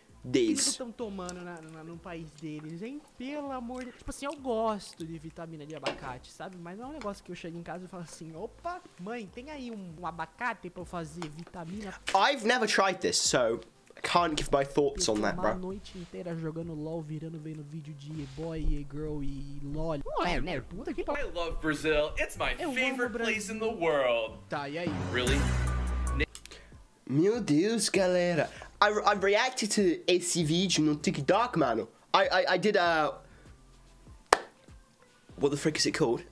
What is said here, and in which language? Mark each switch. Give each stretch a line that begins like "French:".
Portuguese: Eles estão tomando no país deles, hein? Pelo amor de... Tipo assim, eu gosto de vitamina de abacate, sabe? Mas não é um negócio que eu chego em casa e falo assim, opa, mãe, tem aí um abacate pra eu fazer vitamina?
English: I've never tried this, so I can't give my thoughts on that, bro.
Portuguese: Uma noite inteira jogando LOL, virando, vendo vídeo de e-boy, e-girl e LOL. Ué, né? Puta que
English: pariu. I love Brazil. It's my favorite place in the world.
Portuguese: Tá, e aí?
English: Really?
Portuguese: Meu Deus, galera. I reacted to esse vídeo no TikTok, mano.
English: I did a... What the frick is it called?